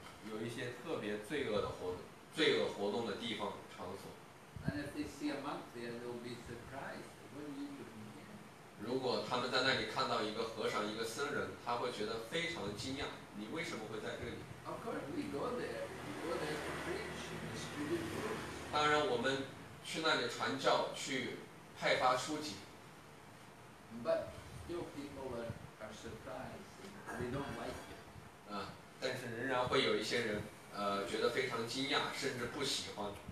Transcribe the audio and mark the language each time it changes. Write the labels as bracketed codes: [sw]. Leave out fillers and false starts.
[zh] 有一些特别罪恶的活动。罪恶活动的地方场所。 [en] And if they see a monk there, they'll be surprised. What are you doing here? [zh] 如果他们在那里看到一个和尚、一个僧人，他会觉得非常惊讶。你为什么会在这里 [en] ？Of course, we go there. We go there to preach and distribute books. [zh] 当然，我们去那里传教，去派发书籍。 [en] But still, people are surprised. They don't like it. [zh] 但是仍然会有一些人。觉得非常惊讶，甚至不喜欢。